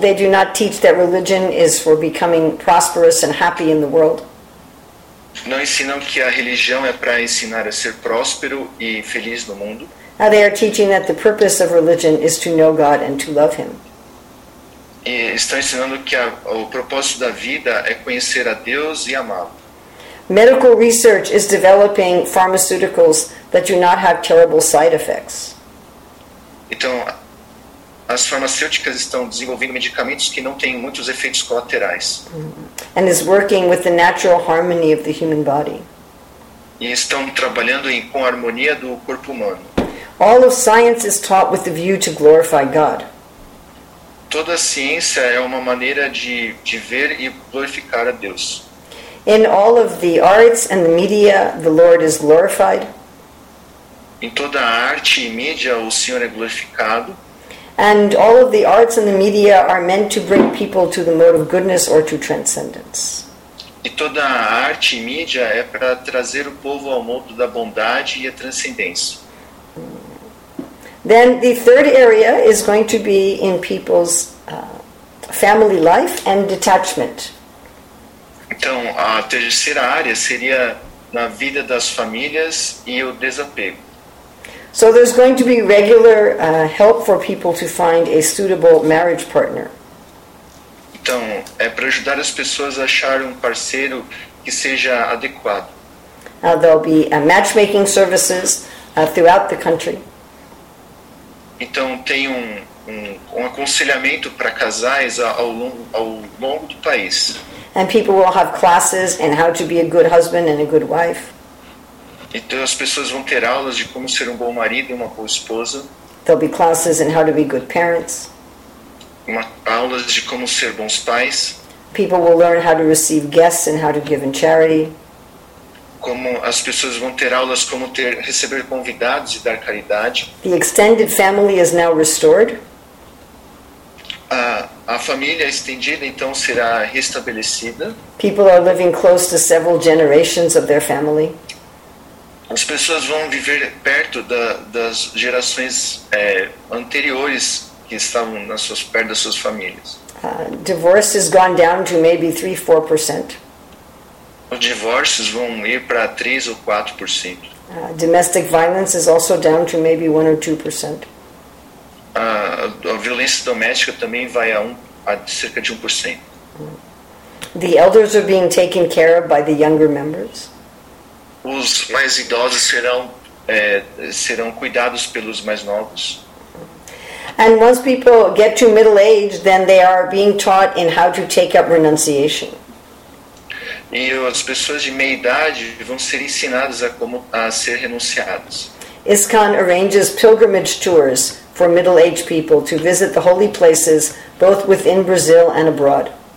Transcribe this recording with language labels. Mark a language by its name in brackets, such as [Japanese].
[English] They do not teach that religion is for becoming prosperous and happy in the world. [Portuguese] Não ensinam que a religião é para ensinar a ser próspero e feliz no mundo. [English] They are teaching that the purpose of religion is to know God and to love Him. [Portuguese] E estão ensinando que o propósito da vida é conhecer a Deus e amá-lo. [English] Medical research is developing pharmaceuticals that do not have terrible side effects. [Portuguese] Então, as farmacêuticas estão desenvolvendo medicamentos que não têm muitos efeitos colaterais. [English] And is working with the natural harmony of the human body. [Portuguese] E estão trabalhando com a harmonia do corpo humano. [English] All of science is taught with the view to glorify God. [Portuguese] Toda a ciência é uma maneira de ver e glorificar a Deus. [English] In all of the arts and the media, the Lord is glorified. [Portuguese] Em toda a arte e mídia, o Senhor é glorificado. [English] And all of the arts and the media are meant to bring people to the mode of goodness or to transcendence. [Portuguese] E toda a arte e mídia é para trazer o povo ao modo da bondade e a transcendência. [English] Then the third area is going to be in people's family life and detachment. [Portuguese] Então, a terceira área seria na vida das famílias e o desapego. [English] So there's going to be regular help for people to find a suitable marriage partner. [Portuguese] Então, é para ajudar as pessoas a achar um parceiro que seja adequado. [English] There'll be matchmaking services throughout the country. [Portuguese] Então, tem um aconselhamento para casais ao longo do país. [English] And people will have classes in how to be a good husband and a good wife. [Portuguese] Então, as pessoas vão ter aulas de como ser um bom marido e uma boa esposa. [English] There'll be classes in how to be good parents. [Portuguese] Aulas de como ser bons pais. [English] People will learn how to receive guests and how to give in charity. [Portuguese] Como as pessoas vão ter aulas como receber convidados e dar caridade. [English] The extended family is now restored. [Portuguese] A família estendida então será restabelecida. [English] People are living close to several generations of their family. [Portuguese] As pessoas vão viver perto das gerações anteriores que estavam perto das suas famílias. [English] Divorce has gone down to maybe 3-4%. [Portuguese] Os divórcios vão ir para 3 ou 4%. [English] Domestic violence is also down to maybe 1 or 2%. [Portuguese] A violência doméstica também vai a cerca de 1%. [English] The elders are being taken care of by the younger members. [Portuguese] Os mais idosos serão cuidados pelos mais novos. [English] And once people get to middle age, then they are being taught in how to take up renunciation. [Portuguese] E as pessoas de meia idade vão ser ensinadas a ser renunciadas. [English] ISKCON arranges pilgrimage tours for middle-aged people to visit the holy places both within Brazil and abroad.